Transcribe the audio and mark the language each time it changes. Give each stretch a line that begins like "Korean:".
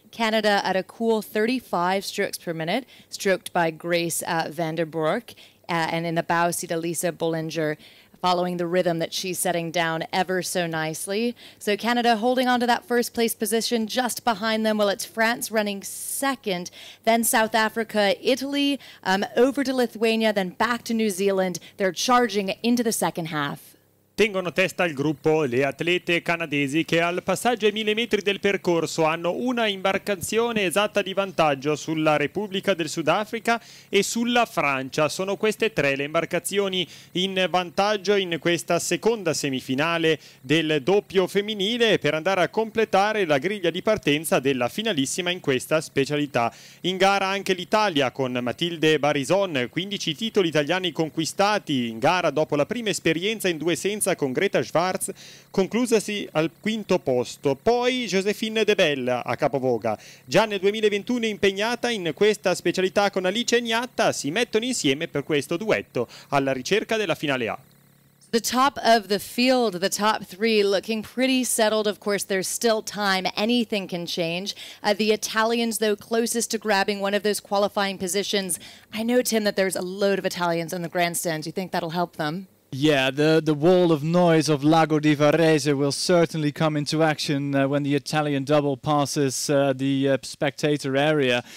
English: Canada at a cool 35 strokes per minute, stroked by Grace Vanderbroek, and in the bow seat, Elisa Bollinger, following the rhythm that she's setting down ever so nicely. So Canada holding on to that first place position just behind them. Well, it's France running second, then South Africa, Italy, over to Lithuania, then back to New Zealand. They're charging into the second half.
Italian: Tengono testa al gruppo le atlete canadesi che al passaggio ai 1000 metri del percorso hanno una imbarcazione esatta di vantaggio sulla Repubblica del Sudafrica e sulla Francia. Sono queste tre le imbarcazioni in vantaggio in questa seconda semifinale del doppio femminile per andare a completare la griglia di partenza della finalissima in questa specialità. In gara anche l'Italia con Matilde Barison, 15 titoli italiani conquistati in gara dopo la prima esperienza in due con Greta Schwarz, conclusasi al quinto posto. Poi Josephine De Bella a capovoga. Già nel 2021 impegnata in questa specialità con Alice Gnatta, si mettono insieme per questo duetto alla ricerca della finale A.
English: The top of the field, the top three, looking pretty settled. Of course, there's still time. Anything can change. The Italians, though, closest to grabbing one of those qualifying positions. I know, Tim, that there's a load of Italians in the grandstands. You think that'll help them? Yeah, the wall of noise of Lago di Varese will certainly come into action when the Italian double passes the spectator area.